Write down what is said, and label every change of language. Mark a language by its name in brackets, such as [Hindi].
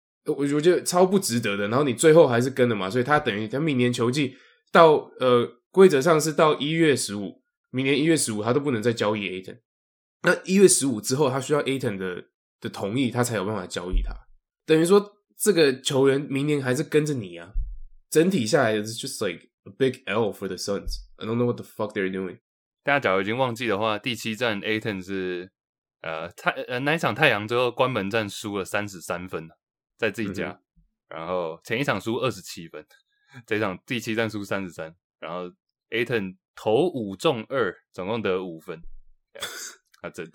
[Chinese] 我觉得超不值得的，然后你最后还是跟了嘛，所以他等于他明年球季到规则上是到1月15，明年1月15他都不能再交易 Aiton。那1月15之后他需要 Aiton 的同意他才有办法交易他。等于说这个球员明年还是跟着你啊。整体下来 [English] it's just like a big L for the Suns. I don't know what the fuck they're doing. [Chinese] 大家假如已经忘记的话，第七战 Aiton 是那一场太阳最后关门战输了33分。在自己家、嗯、然后前一场输27分，这一场第七战输33，然后 Aiton 投五中二，总共得5分，他真